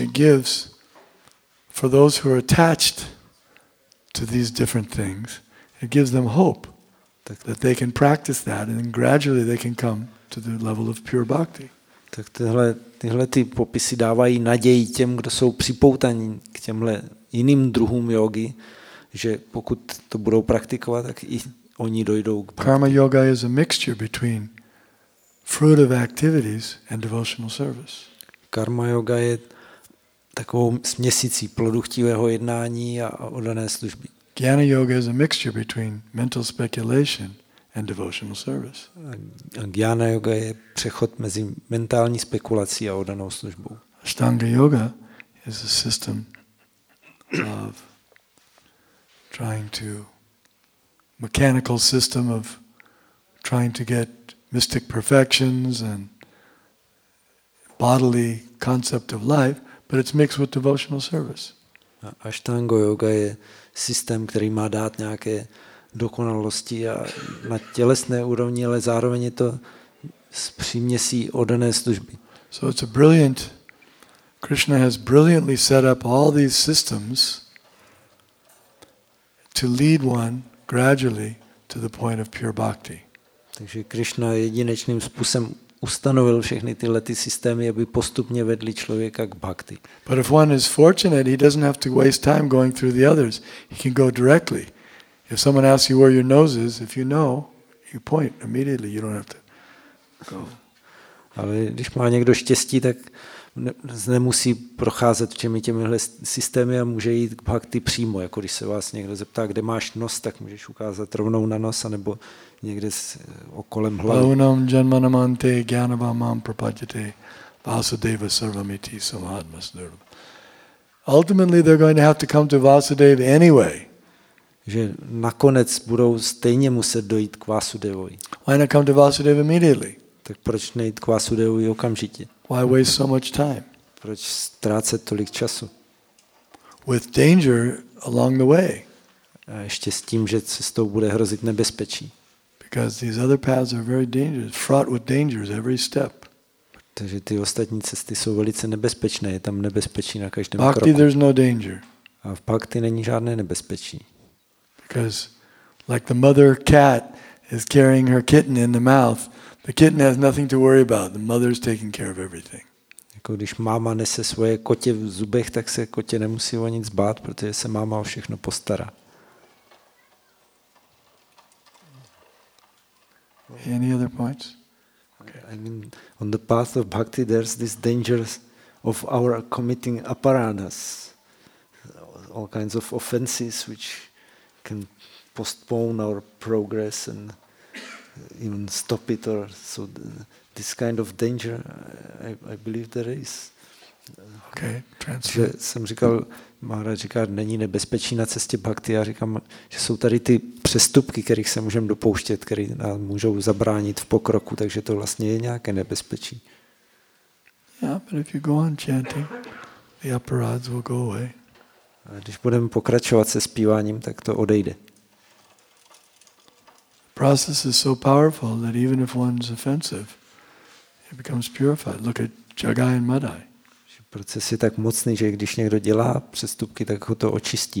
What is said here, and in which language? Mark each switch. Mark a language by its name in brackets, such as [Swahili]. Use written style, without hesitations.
[English] It gives for those who are attached to these different things, it gives them hope that they can practice that, and then gradually they can come to the level of pure bhakti. [Czech] Tak tyhle ty popisy dávají naději těm, kdo jsou připoutaní k těmhle jiným druhům jógy, že pokud to budou praktikovat, tak i oni dojdou k [English] bhakti. Karma yoga is a mixture between fruit of activities and devotional service. [Czech] Karma yoga je takovou směsicí plodu chtivého jednání a oddané služby. [English] Jnana yoga is a mixture between mental speculation and devotional service. [Czech] Jnana yoga je přechod mezi mentální spekulací a oddanou službou. [English] Ashtanga yoga is a system of trying to mechanical system of trying to get mystic perfections and bodily concept of life, but it's mixed with devotional service. [Czech] Ashtanga yoga je systém, který má dát nějaké dokonalosti a na tělesné úrovni, ale zároveň je to přiměsí oddané služby. [English] So it's a brilliant, Krishna has brilliantly set up all these systems to lead one gradually to the point of pure bhakti. [Czech] Takže Krishna jedinečným způsobem ustanovil všechny tyhle ty systémy, aby postupně vedli člověka k bhakti. [English] But if one is fortunate, he doesn't have to waste time going through the others. He can go directly. If someone asks you where your nose is, if you know, you point immediately. You don't have to go. [Czech] Ale když má někdo štěstí, tak nemusí procházet všemi těmihle systémy a může jít k bhakti přímo. Jako když se vás někdo zeptá, kde máš nos, tak můžeš ukázat rovnou na nos, anebo někde okolem hlavy. [Sanskrit] Bhavunam janmanamante gyanavamam prapadyate vasudeva sarvamiti samadmasnurva. [English] Ultimately they're going to have to come to Vasudeva anyway. [Czech] Že nakonec budou stejně muset dojít k Vasudevovi. [English] Why not come to Vasudeva immediately? [Czech] Tak proč nejít k Vasudevovi okamžitě? [English] Why waste so much time? [Czech] Proč ztrácet tolik času? [English] With danger along the way. [Czech] A ještě s tím, že cestou bude hrozit nebezpečí. [English] Because these other paths are very dangerous, fraught with dangers every step. [Czech] Takže ty ostatní cesty jsou velice nebezpečné, je tam nebezpečí na každém kroku. [English] Bhakti, there's no danger. [Czech] A v bhakti není žádné nebezpečí. [English] Because like the mother cat is carrying her kitten in the mouth, the kitten has nothing to worry about. The mother is taking care of everything. [Czech] Jako když máma nese svoje kotě v zubech, tak se kotě nemusí o nic bát, protože se máma o všechno postará. [English] Any other points? Okay. I mean, on the path of bhakti, there's this danger of our committing aparadhas, all kinds of offenses which can postpone our progress and even stop it. Or so this kind of danger, I believe there is. Okay. [Czech] Že jsem říkal, Maharaj říká, není nebezpečí na cestě bhakti. Já říkám, že jsou tady ty přestupky, kterých se můžeme dopouštět, které nám můžou zabránit v pokroku, takže to vlastně je nějaké nebezpečí. [English] Yeah, but if you go on chanting, the aparads will go away. [Czech] A když budeme pokračovat se zpíváním, tak to odejde. [English] The process is so powerful that even if one's offensive, it becomes purified. Look at Jagai and Madai. [Czech] Proces je tak mocný, že když někdo dělá přestupky, tak ho to očistí.